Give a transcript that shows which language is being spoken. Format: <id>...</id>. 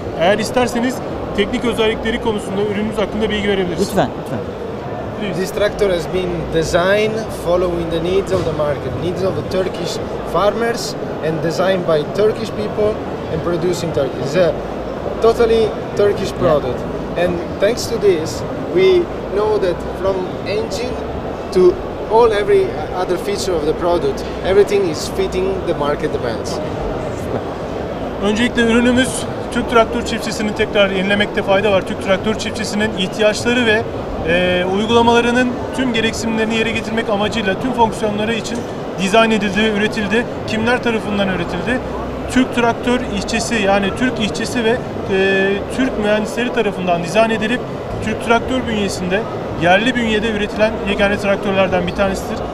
<tr>Eğer isterseniz teknik özellikleri konusunda ürünümüz hakkında bilgi verebilirsiniz. Lütfen.</tr> <en>This tractor has been designed following the needs of the market, needs of the Turkish farmers, and designed by Turkish people and produced in Turkey. It's a totally Turkish product. Yeah. And thanks to this, we know that from engine to all every other feature of the product, everything is fitting the market demands.</en> <tr>Öncelikle ürünümüz Türk traktör çiftçisini tekrar yenilemekte fayda var. Türk traktör çiftçisinin ihtiyaçları ve uygulamalarının tüm gereksinimlerini yere getirmek amacıyla tüm fonksiyonları için dizayn edildi ve üretildi. Kimler tarafından üretildi? Türk traktör işçisi, yani Türk işçisi ve Türk mühendisleri tarafından dizayn edilip Türk traktör bünyesinde yerli bünyede üretilen yegane traktörlerden bir tanesidir.</tr>